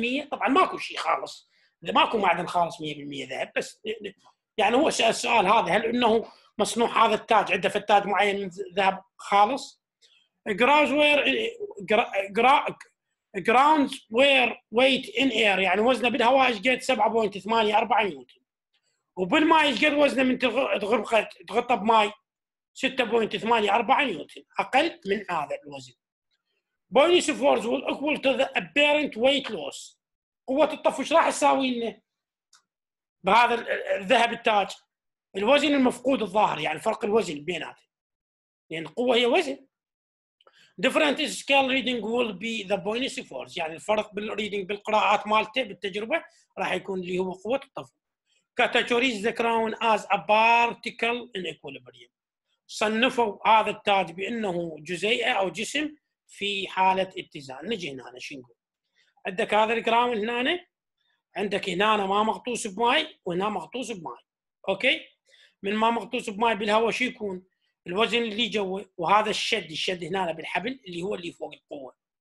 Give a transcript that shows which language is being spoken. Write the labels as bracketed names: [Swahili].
[Arabic] طبعا ماكو شيء خالص، ماكو معدن خالص 100% ذهب، بس يعني هو سأل السؤال هذا، هل انه مصنوع هذا التاج عنده في التاج معين من ذهب خالص؟ [English] grounds were weight in air، [Arabic] يعني وزنه بالهواء ايش قد؟ 7.84 نيوتن. وبالماء ايش قد وزنه من تغرقه تغطى بماء؟ 6.84 نيوتن، اقل من هذا الوزن. [English] buoyancy force will equal to the apparent weight loss. [Arabic] قوة الطفو ايش راح تساوي لنا بهذا الذهب التاج؟ الوزن المفقود الظاهر، يعني فرق الوزن بينات، يعني القوة هي وزن. [English] different scale reading will be the buoyancy force، [Arabic] يعني الفرق بالريدنج بالقراءات مالته بالتجربة راح يكون اللي هو قوة الطفو. [English] categorize the crown as a particle in equilibrium. [Arabic] صنفوا هذا التاج بأنه جزيئة أو جسم في حالة اتزان. نجي هنا شو نقول؟ عندك هذا الكراون هنا، عندك هنا ما مغطوس بماء وهنا مغطوس بماء، اوكي؟ من ما مغطوس بماء بالهواء شو يكون؟ الوزن اللي جوه وهذا الشد، الشد هنا بالحبل اللي هو اللي فوق القوه.